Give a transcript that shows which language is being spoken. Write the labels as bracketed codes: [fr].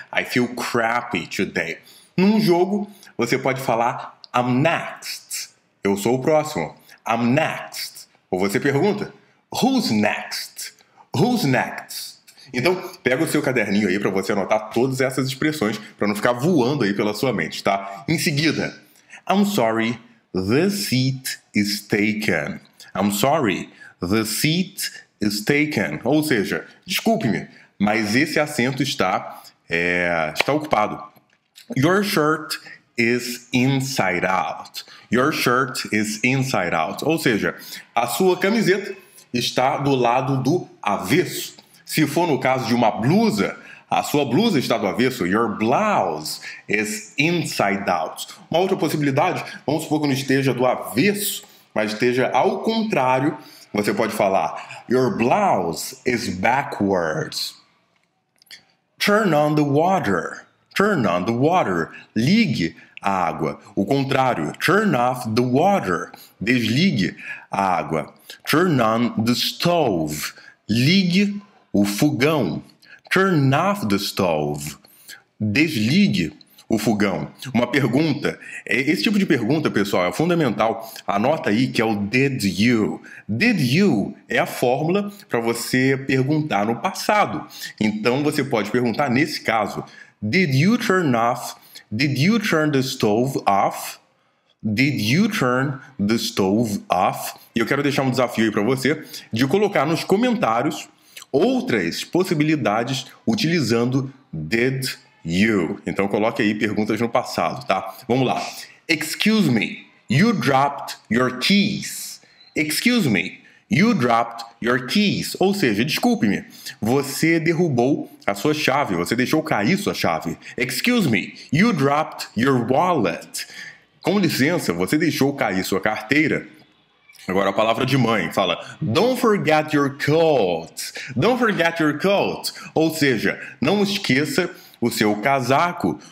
[en] I feel crappy today. [pt] Num jogo, você pode falar, [en] I'm next. [pt] Eu sou o próximo. [en] I'm next. [pt] Ou você pergunta, [en] who's next? Who's next? [pt] Então, pega o seu caderninho aí para você anotar todas essas expressões, para não ficar voando aí pela sua mente, tá? Em seguida, [en] I'm sorry, the seat is taken. I'm sorry, the seat is taken. [pt] Ou seja, desculpe-me, mas esse assento está ocupado. [en] Your shirt is inside out. Your shirt is inside out. [pt] Ou seja, a sua camiseta está do lado do avesso. Se for no caso de uma blusa, a sua blusa está do avesso. [en] Your blouse is inside out. [pt] Uma outra possibilidade, vamos supor que não esteja do avesso, mas esteja ao contrário, você pode falar, [en] your blouse is backwards. Turn on the water. Turn on the water. [pt] Ligue a água. O contrário, [en] turn off the water. [pt] Desligue a água. [en] Turn on the stove. [pt] Ligue o fogão. [en] Turn off the stove. [pt] Desligue o fogão. Uma pergunta. Esse tipo de pergunta, pessoal, é fundamental. Anota aí que é o did you. Did you é a fórmula para você perguntar no passado. Então, você pode perguntar nesse caso. [en] Did you turn off? Did you turn the stove off? Did you turn the stove off? [pt] E eu quero deixar um desafio aí para você de colocar nos comentários outras possibilidades utilizando did you. Então coloque aí perguntas no passado, tá? Vamos lá. [en] Excuse me, you dropped your keys. Excuse me, you dropped your keys. [pt] Ou seja, desculpe-me, você derrubou a sua chave, você deixou cair sua chave. [en] Excuse me, you dropped your wallet. [pt] Com licença, você deixou cair sua carteira. Agora a palavra de mãe fala, [en] don't forget your coat. Don't forget your coat. [pt] Ou seja, não esqueça o seu casaco.